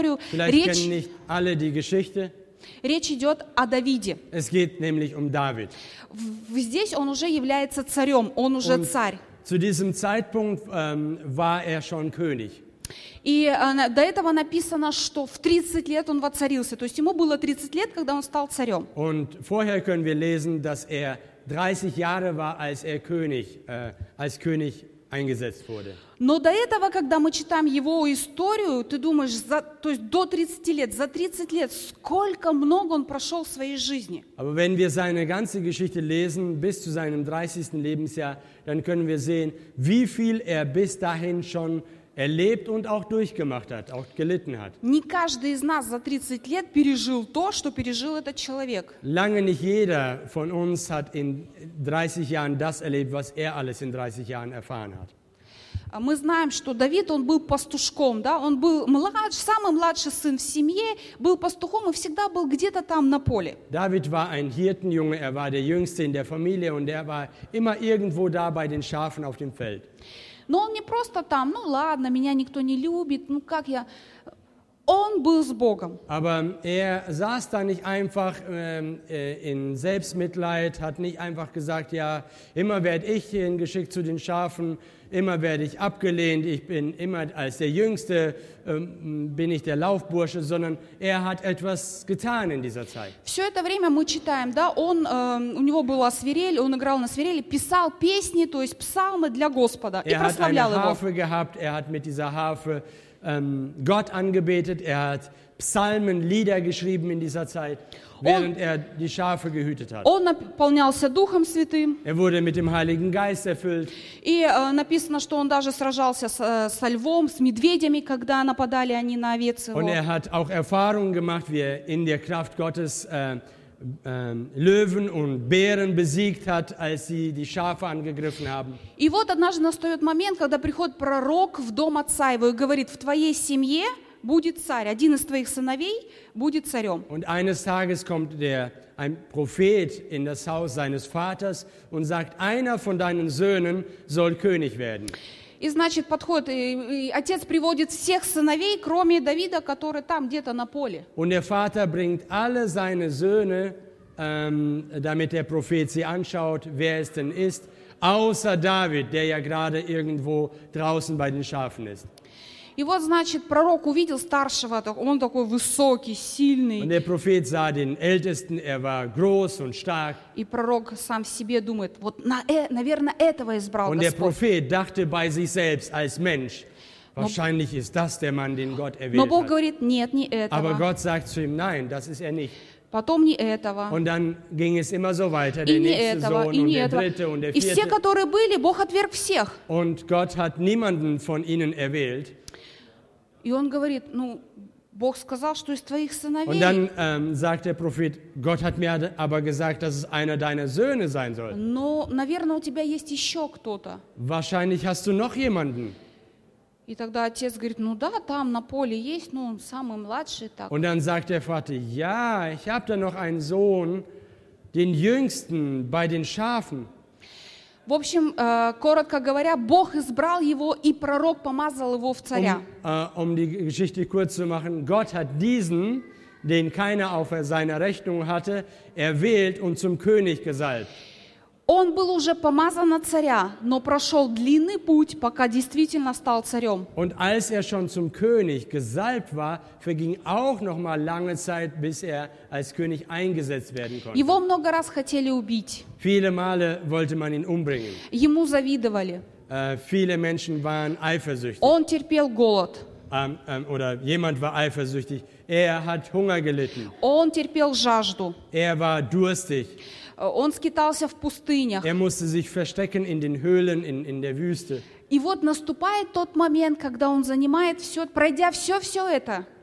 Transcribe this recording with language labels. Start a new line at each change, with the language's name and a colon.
German: Vielleicht kennen nicht alle die Geschichte.
Russian: Речь идет о Давиде.
German: Es geht nämlich um David.
Russian: Здесь он уже является царем, он уже
German: und
Russian: царь.
German: Zu diesem Zeitpunkt war er schon König.
Russian: И до этого написано, что в 30 лет он воцарился. То есть ему было 30 лет, когда он стал царем.
German: Und vorher können wir lesen, dass er 30 Jahre war, als er König, als König eingesetzt wurde.
Russian: Но до этого, когда мы читаем его историю, ты думаешь, за, то есть до 30 лет, за 30 лет, сколько много он прошел в своей жизни.
German: Aber wenn wir seine ganze Geschichte lesen, bis zu seinem 30. Lebensjahr, dann können wir sehen, wie viel er bis dahin schon erlebt und auch durchgemacht hat, auch gelitten hat.
Russian: Не каждый из нас за 30 лет пережил то, что пережил этот человек.
German: Lange nicht jeder von uns hat in 30 Jahren das erlebt, was er alles in 30 Jahren erfahren hat.
Russian: Мы знаем, что Давид, он был пастушком, да? Он был младший, самый младший сын в семье, был пастухом и всегда был где-то там на поле.
German: David war ein Hirtenjunge, er war der jüngste in der Familie und er war immer irgendwo da bei den Schafen auf dem Feld.
Russian: Но он не просто там, ну ладно, меня никто не любит, ну как я... Он был с Богом.
German: Aber er saß da nicht einfach in Selbstmitleid, hat nicht einfach gesagt, ja, immer werde ich hierhin geschickt zu den Schafen, immer werde ich abgelehnt, ich bin immer als der Jüngste, bin ich der Laufbursche, sondern er hat etwas getan in dieser Zeit.
Russian: Все это время мы читаем, да, он, у него была свирель, он играл на свирели, писал песни, то есть псалмы для Господа и прославлял его.
German: Er hat eine Harfe gehabt, er hat mit dieser Harfe Gott angebetet, er hat Psalmen, Lieder geschrieben in dieser Zeit, während er die Schafe gehütet hat.
Russian: Он наполнялся Духом Святым.
German: Er wurde mit dem Heiligen Geist erfüllt.
Russian: И написано, что он даже сражался со львом, с медведями, когда нападали они на овец его.
German: Und er hat auch Erfahrungen gemacht, wie er in der Kraft Gottes Löwen und Bären besiegt hat, als sie die Schafe angegriffen haben.
Russian: И вот однажды настает момент, когда приходит пророк в дом отца его и говорит: в твоей семье будет царь, один из твоих сыновей будет царем.
German: Und eines Tages kommt ein Prophet in das Haus seines Vaters und sagt: einer von deinen Söhnen soll König werden.
Russian: И значит подходит и отец приводит всех сыновей, кроме Давида, который там где-то на поле.
German: Und der Vater bringt alle seine Söhne, damit der Prophet sie anschaut, wer es denn ist, außer David, der ja gerade irgendwo draußen bei den Schafen ist.
Russian: И вот, значит, пророк увидел старшего, он такой высокий, сильный.
German: Und der Prophet sah den Ältesten, er war groß und stark.
Russian: И пророк сам себе думает, вот, наверное, этого избрал Господь.
German: Und der Prophet dachte bei sich selbst als Mensch, wahrscheinlich ist das der Mann, den Gott erwählt hat.
Russian: Но Бог говорит, нет, не этого.
German: Aber Gott sagt zu ihm, nein, das ist er nicht.
Russian: Потом не этого.
German: Und dann ging es immer so weiter, der nächste Sohn und der dritte und der vierte.
Russian: И все, которые были, Бог отверг всех.
German: Und Gott hat niemanden von ihnen erwählt.
Russian: И он говорит, ну, Бог сказал, что из твоих сыновей.
German: Und dann sagt der Prophet, Gott hat mir aber gesagt, dass es einer deiner Söhne sein soll.
Russian: Но, наверное, у тебя есть еще кто-то.
German: Wahrscheinlich hast du noch jemanden.
Russian: И тогда отец говорит, ну да, там на поле есть, ну, самый младший так.
German: Und dann sagt der Vater, ja, ich habe da noch einen Sohn, den jüngsten bei den Schafen.
Russian: В общем, коротко говоря, Бог избрал его, и пророк помазал его в царя.
German: Um die Geschichte kurz zu machen, Gott hat diesen, den keiner auf seiner Rechnung hatte, erwählt und zum König gesalbt.
Russian: Он был уже помазан на царя, но прошел длинный путь, пока действительно стал царем.
German: Und als er schon zum König gesalbt war, verging auch noch mal lange Zeit, bis er als König eingesetzt werden konnte.
Russian: Его много раз хотели убить.
German: Viele Male wollte man ihn umbringen.
Russian: Ему завидовали.
German: Viele Menschen waren eifersüchtig.
Russian: Он терпел голод.
German: Oder jemand war eifersüchtig. Er hat Hunger gelitten.
Russian: Он терпел жажду.
German: Er war durstig.
Russian: Он скитался в пустынях.
German: Er musste sich verstecken in den Höhlen, in der Wüste.
Russian: И вот наступает тот момент, когда он занимает все, пройдя все это.